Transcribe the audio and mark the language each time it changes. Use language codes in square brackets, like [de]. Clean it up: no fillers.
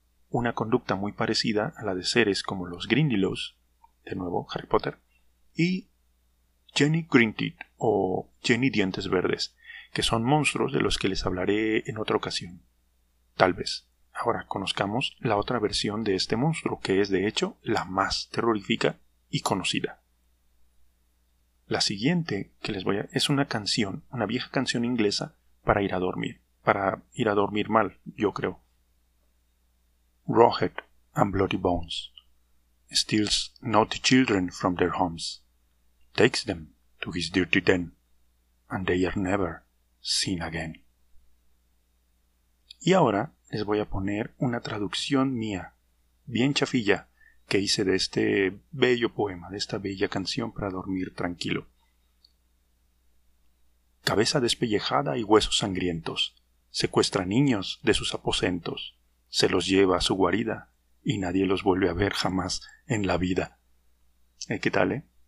[es] Una conducta muy parecida a la de seres como los Grindylows, de nuevo Harry Potter, y Jenny Greenteeth o Jenny Dientes Verdes, que son monstruos de los que les hablaré en otra ocasión. Tal vez. Ahora conozcamos la otra versión de este monstruo, que es de hecho la más terrorífica y conocida. La siguiente que les voy a... es una canción, una vieja canción inglesa para ir a dormir. Para ir a dormir mal, yo creo. [en] Rawhead and Bloody Bones steals naughty children from their homes, takes them to his dirty den, and they are never seen again. [es] Y ahora les voy a poner una traducción mía, bien chafilla, que hice de este bello poema, de esta bella canción para dormir tranquilo. Cabeza despellejada y huesos sangrientos, secuestra niños de sus aposentos, se los lleva a su guarida y nadie los vuelve a ver jamás en la vida. ¿Qué tal, eh?